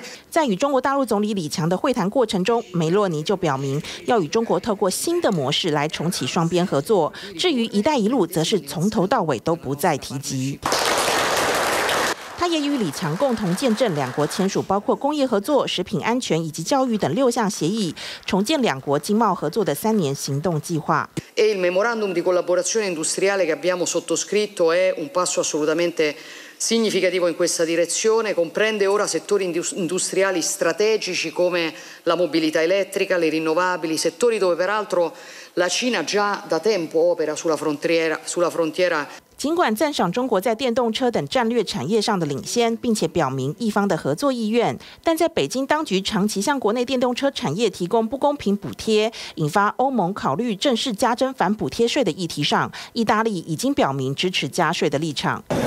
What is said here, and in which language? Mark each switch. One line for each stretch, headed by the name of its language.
Chinese: 在与中国大陆总理李强的会谈过程中，梅洛尼就表明要与中国透过新的模式来重启双边合作，至于一带一路则是从头到尾都不再提及。他也与李强共同见证两国签署包括工业合作、食品安全以及教育等6项协议，重建两国经贸合作的3年行动计划。
Italian: E il memorandum di collaborazione industriale che abbiamo sottoscritto è un passo assolutamente significativo in questa direzione, comprende ora settori industriali strategici come la mobilità elettrica, le rinnovabili, settori dove peraltro la Cina già da tempo opera sulla frontiera
Chinese: 尽管赞赏中国在电动车等战略产业上的领先，并且表明一方的合作意愿，但在北京当局长期向国内电动车产业提供不公平补贴，引发欧盟考虑正式加征反补贴税的议题上，意大利已经表明支持加税的立场。